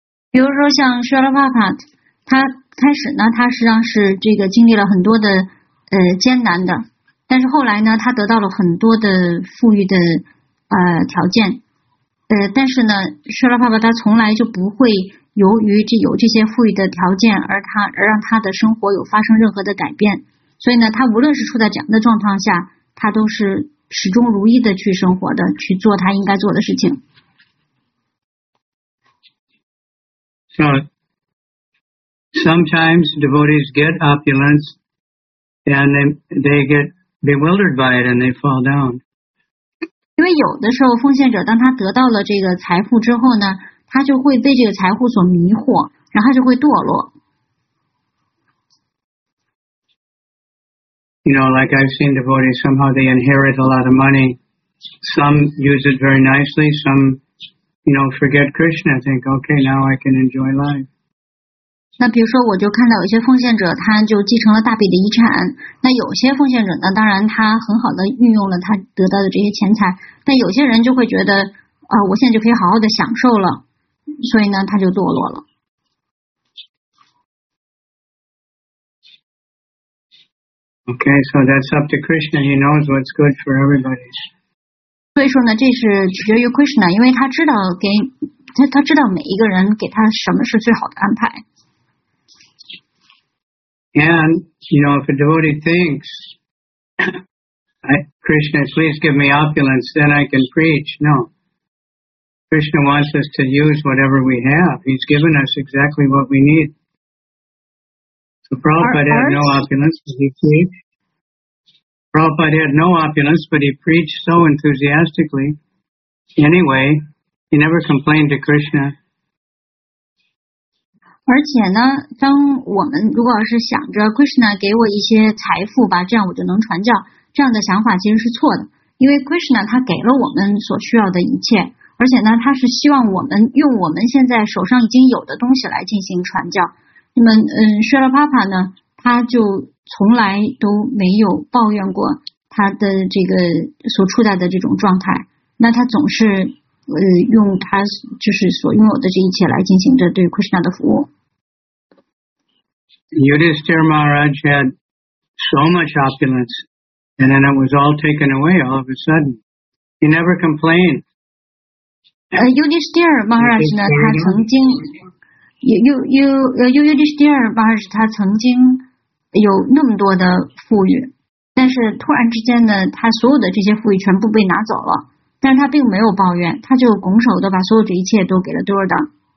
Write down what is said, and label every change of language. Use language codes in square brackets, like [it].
[zh] 比如说像 Srila Prabhupada 他开始呢他实际上是这个经历了很多的艰难的但是后来呢他得到了很多的富裕的条件但是呢 Srila Prabhupada 他从来就不会由于这有这些富裕的条件而让他的生活有发生任何的改变所以呢他无论是处在怎样的状况下他都是始终如一的去生活的去做他应该做的事情 [en] So, sometimes devotees get opulence and they get bewildered by it and they fall down. [zh] 因为有的时候奉献者当他得到了这个财富之后呢他就会被这个财富所迷惑然后他就会堕落。 [en] You know, like I've seen devotees, somehow they inherit a lot of money. Some use it very nicely, some... You know, forget Krishna. Think, okay, now I can enjoy life. [zh] 那比如说，我就看到有些奉献者，他就继承了大笔的遗产。那有些奉献者呢，当然他很好的运用了他得到的这些钱财。但有些人就会觉得，我现在就可以好好的享受了，所以呢，他就堕落了。 [en] Okay, so that's up to Krishna. He knows what's good for everybody. [zh] 所以说呢，这是取决于 Krishna， 因为他知道给 他知道每一个人给他什么是最好的安排。 [en] And you know, if a devotee thinks, Krishna, please give me opulence, then I can preach. No, Krishna wants us to use whatever we have. He's given us exactly what we need. So Prabhupada had no opulence, but he preached. Prabhupada had no opulence, but he preached so enthusiastically. Anyway, he never complained to Krishna. [zh] 而且呢，当我们如果是想着 Krishna 给我一些财富吧，这样我就能传教，这样的想法其实是错的。因为 Krishna 他给了我们所需要的一切，而且呢，他是希望我们用我们现在手上已经有的东西来进行传教。那么，Srila Prabhupada 呢，他就。从来都没有抱怨过他的这个所处在的这种状态那他总是用他就是所拥有的这一切来进行着对 Krishna 的服务 [en] Yudhishthira Maharaj had so much opulence and then it was all taken away all of a sudden he never complained [zh] Yudhishthira Maharaj 呢他曾经 Yudhishthira Maharaj 他曾经有那么多的富裕但是突然之间呢他所有的这些富裕全部被拿走了但是他并没有抱怨他就拱手的把所有这一切都给了 Duryodhan